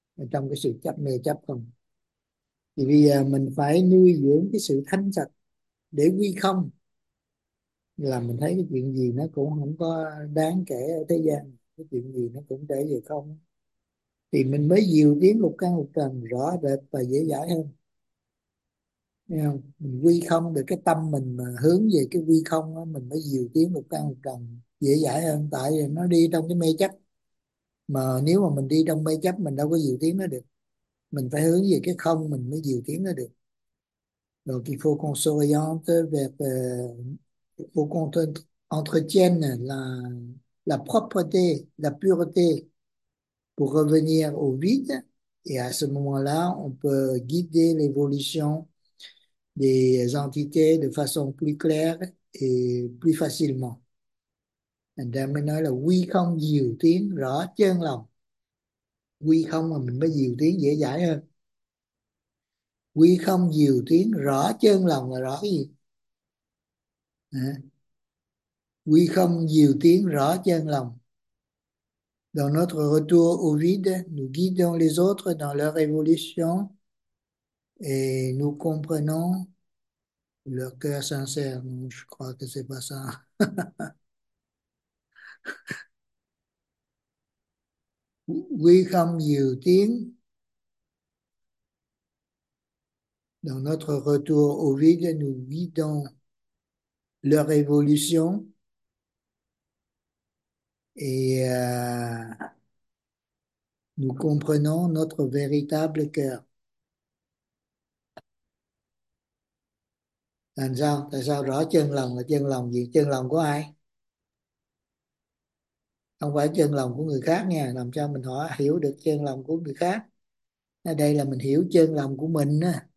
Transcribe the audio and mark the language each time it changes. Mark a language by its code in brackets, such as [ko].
[vi] trong cái sự chấp mê chấp không. Thì bây giờ mình phải nuôi dưỡng cái sự thanh sạch để quy không, là mình thấy cái chuyện gì nó cũng không có đáng kể ở thế gian, cái chuyện gì nó cũng trở về không, thì mình mới diệu tiến lục căn lục trần rõ rệt và dễ giải hơn. Không? Mình quy không được cái tâm mình mà hướng về cái quy không đó, mình mới diệu tiến lục căn lục trần dễ giải hơn, tại vì nó đi trong cái mê chấp. Mà nếu mà mình đi trong mê chấp mình đâu có diệu tiến nó được, mình phải hướng về cái không mình mới diệu tiến nó được. Rồi thì [fr] faut qu'on s'oriente vers faut qu'on entretienne la propreté, la pureté pour revenir au vide, et à ce moment-là on peut guider l'évolution des entités de façon plus claire et plus facilement. [vi] Anh mới nói là quy không diệu tiến rõ chân lòng, quy không mà mình mới diệu tiến dễ giải hơn. Quy không diệu tiến rõ chân lòng là rõ cái gì? À, quy không diệu tiến rõ chân lòng. [fr] Dans notre retour au vide, nous guidons les autres dans leur évolution et nous comprenons leur cœur sincère. Non, je crois que c'est pas ça. [vi] Quy không diệu tiến. [fr] Dans notre retour au vide, nous guidons leur évolution. Et nous comprenons notre véritable cœur. [vi] Làm sao? Tại sao rõ chân lòng là chân lòng gì? Chân lòng của ai? Không phải chân lòng của người khác nha. Làm sao mình hỏi hiểu được chân lòng của người khác? Đây là mình hiểu chân lòng của mình đó.